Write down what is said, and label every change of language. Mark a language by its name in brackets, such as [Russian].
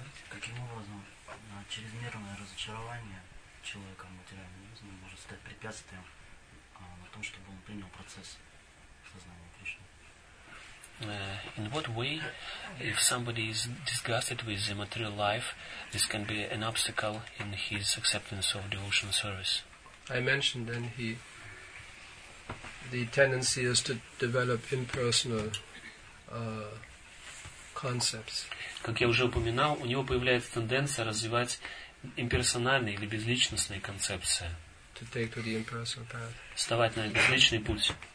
[Russian] Каким образом чрезмерное разочарование человека в материальном мире может стать препятствием на том, чтобы он принял процесс сознания Кришны? [English] In what way, if somebody is disgusted with the material life, this can be an obstacle in his acceptance of devotional service? I mentioned then the tendency is to develop impersonal concepts. [Russian] Как я уже упоминал, у него появляется тенденция развивать имперсональные или безличностные концепции. [English] To take to the impersonal path. [Russian] Вставать на безличный путь.